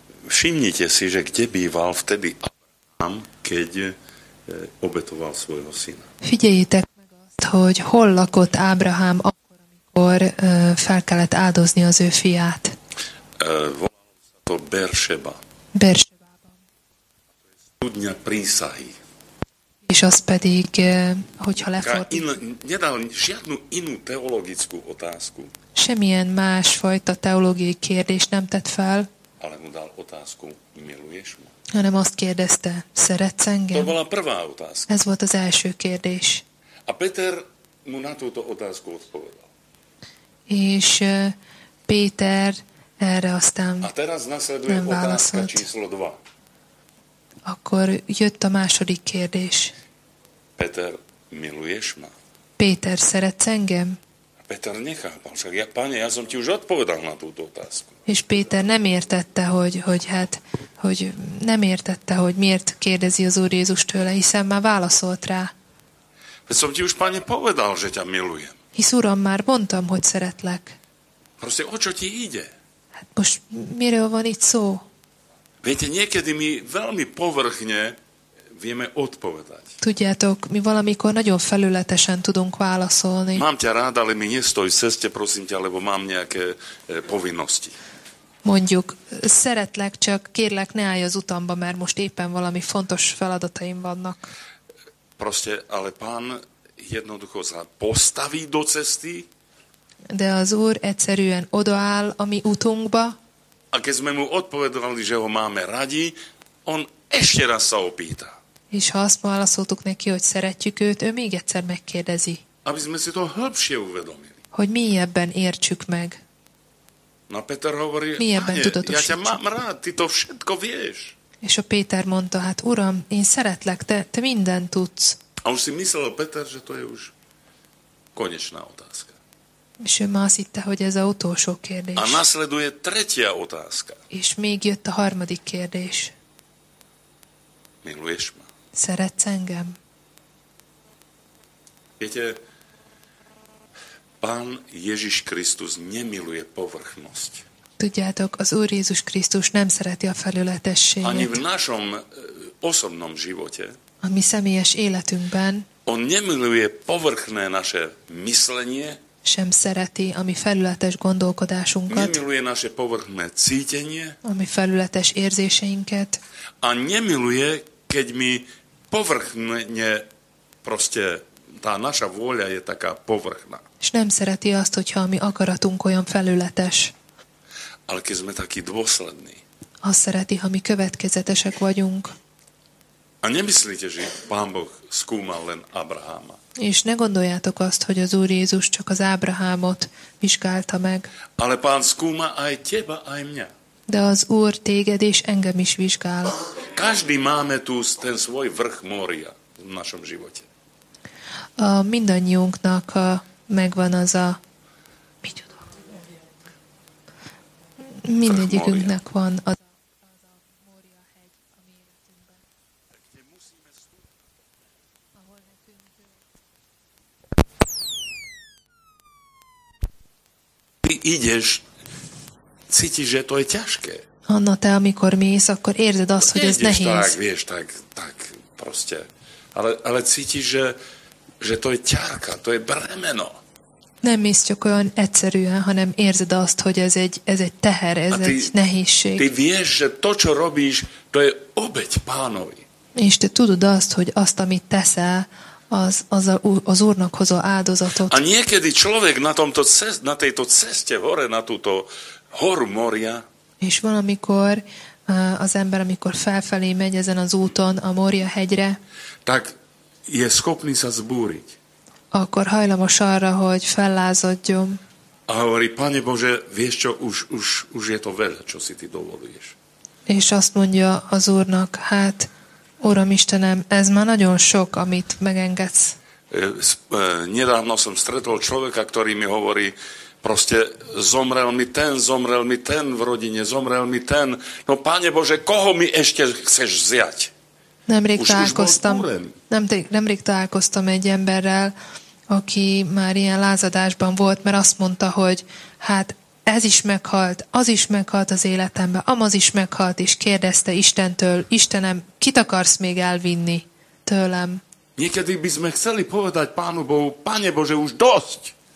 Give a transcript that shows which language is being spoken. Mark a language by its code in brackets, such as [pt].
[sk] Všimnite si, že kde býval vtedy Abraham, keď obetoval svojho syna. [hu] Figyeljétek meg azt, hogy hol lakott Abraham akkor, amikor fel kellett áldozni az ő fiát. [sk] Volalo sa to Beersheba. [hu] Beersheba-ban. [sk] To je studňa prísahy. [hu] És az pedig, hogyha lefordít. [sk] Nedal žiadnu inú teologickú otázku. [hu] Semmilyen másfajta teológiai kérdést nem tett fel. [sk] Ale mu dal otázku, miluješ mu? [hu] Hanem azt kérdezte, szeretsz engem? [sk] To bola prvá otázka. [hu] Ez volt az első kérdés. [sk] A Peter mu na túto otázku odpovedal. [hu] És Péter erre aztán [sk] a teraz nasleduje [hu] nem válaszolt. [sk] Otázka číslo 2. [hu] Akkor jött a második kérdés. [sk] Peter, miluješ ma? [hu] Péter, szeretsz engem? [sk] Peter nechápal, však ja, páne, ja som ti už odpovedal na túto otázku. [hu] És Péter nem értette, hogy nem értette, hogy miért kérdezi az Úr Jézus tőle, hiszen már válaszolt rá. [sk] Hát som ti už, páne, povedal, že ťa milujem. [hu] Hisz, Uram, már mondtam, hogy szeretlek. [sk] Proste, o čo ti ide? [hu] Hát most miről van itt szó? [sk] Viete, niekedy mi veľmi povrchne vieme odpovedať. [hu] Tudjátok, mi valamikor nagyon felületesen tudunk válaszolni. [sk] Mám ťa rád, ale mi nestoj v ceste, prosím ťa, lebo mám nejaké povinnosti. [hu] Mondjuk, szeretlek, csak kérlek, ne állj az utamba, mert most éppen valami fontos feladataim vannak. [sk] Proste, ale pán jednoducho sa postaví do cesty. [hu] De az Úr egyszerűen odaáll a mi utunkba. [sk] A keď sme mu odpovedali, že ho máme radi, on ešte raz sa opýta. [hu] És ha azt válaszoltuk neki, hogy szeretjük őt, ő még egyszer megkérdezi. [sk] Aby sme si to hĺbšie uvedomili. [hu] Hogy mélyebben értsük meg. [sk] Na Peter hovorí, [hu] mélyebben tudatosítsuk. [sk] Ja ťa mám rád, ty to všetko vieš. [hu] És a Péter mondta, hát Uram, én szeretlek, te mindent tudsz. [sk] A už si myslel Peter, že to je už konečná otázka. [hu] És ő már azt hitte, hogy ez a utolsó kérdés. [sk] A nasleduje tretia otázka. [hu] És még jött a harmadik kérdés. [sk] Miluješ ma? [hu] Szeretsz engem? [sk] Viete, Pán Ježiš Kristus nemiluje povrchnosť. [hu] Tudjátok, az Úr Jézus Krisztus nem szereti a felületességet. [sk] Ani v našom osobnom živote. [hu] A mi személyes életünkben. [sk] On nemiluje povrchné naše myslenie. [hu] Sem szereti a mi felületes gondolkodásunkat. [sk] Nemiluje naše povrchné cítenie. [hu] A mi felületes érzéseinket. [sk] A nemiluje, keď mi povrchne proste tá naša vôľa je taká povrchná. [hu] És nem szereti azt, hogyha a mi akaratunk olyan felületes. [sk] Ale keď sme takí dôslední. [hu] Azt szereti, ha mi következetesek vagyunk. [sk] A nemyslíte, že Pán Boh skúmal len Abraháma. [hu] És ne gondoljátok azt, hogy az Úr Jézus csak az Ábrahámot vizsgálta meg. [sk] Ale Pán skúma aj teba, aj mňa. [hu] De az Úr téged és engem is vizsgál. [sk] Každý máme tu ten svoj vrch moria v našom živote. [hu] A mindannyiunknak megvan az a... Mindegyikünknek van az a moria hegy, ami életünkben. [sk] Ti ideš, cítiš, že to je ťažké. [hu] Anna, te amikor mész, akkor érzed azt, hogy ez nehéz. [sk] Tak, vieš, tak proste. Ale cítiš, že to je ťarka, to je bremeno. [hu] Nem mész csak olyan egyszerűen, hanem érzed azt, hogy ez egy teher, egy nehézség. [sk] Ty vieš, že to, čo robíš, to je obeť Pánovi. [hu] És te tudod azt, hogy azt, amit teszel, az Úrnak hozó áldozatot. [sk] A niekedy človek na tejto ceste hore, na túto horu Moria. [hu] És valamikor az ember, amikor felfelé megy ezen az úton, a Moria hegyre, [sk] tak je schopný sa zbúriť. [hu] Akkor hajlamos arra, hogy fellázadjon. [sk] A hovorí, Pane Bože, vieš čo, už je to veľa, čo si ty dovoluješ. [hu] És azt mondja az Úrnak, hát, Uram Istenem, ez már nagyon sok, amit megengedsz. [sk] Nedávno som stretol človeka, ktorý mi hovorí, proste zomrel mi ten v rodine, zomrel mi ten. No, Pane Bože, koho mi ešte chceš vziať? [hu] Nemrég találkoztam egy emberrel, aki már ilyen lázadásban volt, mert azt mondta, hogy hát ez is meghalt, az is meghalt az életemben, amaz is meghalt, és kérdezte Istentől, Istenem, kit akarsz még elvinni tőlem? [sk] Niekedy bys sme chceli povedať Pánu Bohu, Pane Bože, už dosť.